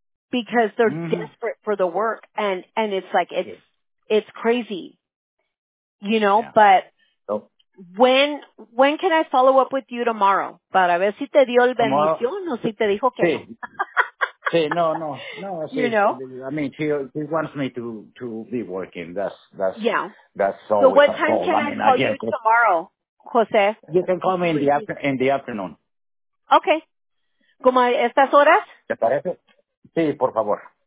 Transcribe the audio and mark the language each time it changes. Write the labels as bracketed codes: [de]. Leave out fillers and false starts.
[en] Because they're desperate for the work, and it's like, it's crazy, you know, but when can I follow up with you tomorrow? [es] Para ver si te dio el bendición o si te dijo que no. [en] I mean, she wants me to be working. That's all. So what time can I call you tomorrow, Jose? You can call me in the afternoon. [es] Okay. ¿Como estas horas? ¿Te parece? Sí, por favor.